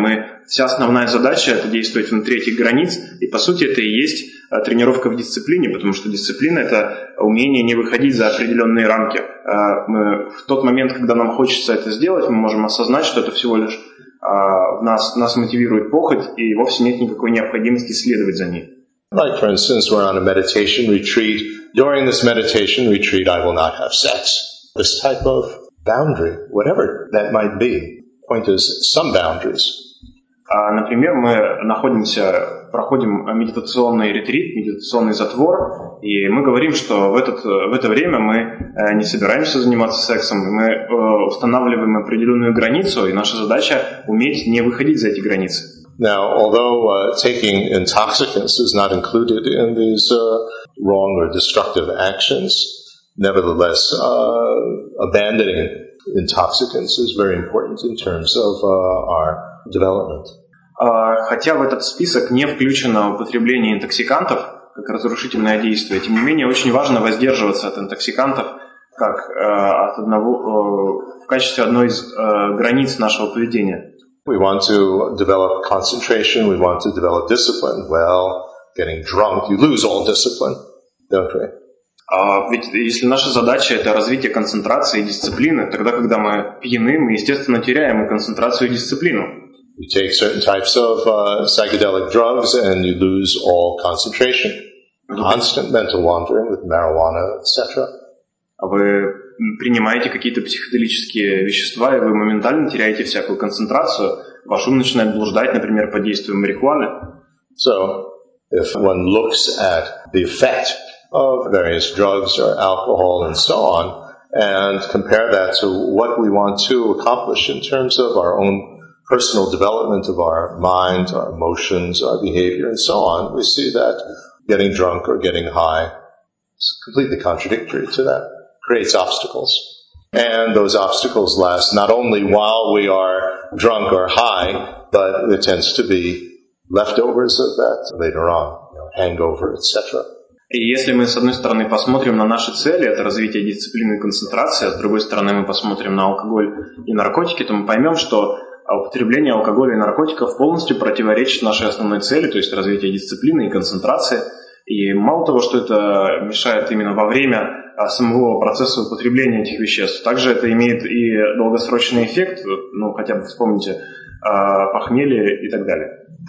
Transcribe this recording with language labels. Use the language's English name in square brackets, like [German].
[Russian] Мы вся основная задача — это действовать внутри этих границ. И по сути это и есть тренировка в дисциплине, потому что дисциплина — это умение не выходить за определенные рамки. Мы в тот момент, когда нам хочется это сделать, мы можем осознать, что это всего лишь нас мотивирует похоть, и вовсе нет никакой необходимости следовать за ней. [English] Like, for instance, we're on a meditation retreat. During this meditation retreat, I will not have sex. This type of boundary, whatever that might be, point is some boundaries. [Russian] Например, мы проходим медитационный ретрит, медитационный затвор, и мы говорим, что в это время мы не собираемся заниматься сексом, мы устанавливаем определенную границу, и наша задача — уметь не выходить за эти границы. [English] Now, although taking intoxicants is not included in these wrong or destructive actions, nevertheless, abandoning intoxicants is very important in terms of our development. [Russian] Хотя в этот список не включено употребление интоксикантов как разрушительное действие, тем не менее очень важно воздерживаться от интоксикантов как от одного в качестве одной из границ нашего поведения. [English] We want to develop concentration, we want to develop discipline. Well, getting drunk, you lose all discipline, don't we? [Russian] Ведь если наша задача — это развитие концентрации и дисциплины, тогда когда мы пьяны, мы естественно теряем и концентрацию, и дисциплину. [English] You take certain types of psychedelic drugs and you lose all concentration. Constant mental wandering with marijuana, etc. [Russian] Вы принимаете какие-то психоделические вещества, и вы моментально теряете всякую концентрацию. Ваш ум начинает блуждать, например, под действием марихуаны. [English] So, if one looks at the effect of various drugs or alcohol and so on, and compare that to what we want to accomplish in terms of our own personal development of our mind, our emotions, our behavior, and so on, we see that getting drunk or getting high is completely contradictory to that, creates obstacles. And those obstacles last not only while we are drunk or high, but it tends to be leftovers of that later on, you know, hangover, etc. [Russian] И если мы, с одной стороны, посмотрим на наши цели, это развитие дисциплины и концентрации, а с другой стороны, мы посмотрим на алкоголь и наркотики, то мы поймем, что употребление алкоголя и наркотиков полностью противоречит нашей основной цели, то есть развитие дисциплины и концентрации. И мало того, что это мешает именно во время самого процесса употребления этих веществ, также это имеет и долгосрочный эффект, ну, хотя бы вспомните, похмелье и так далее.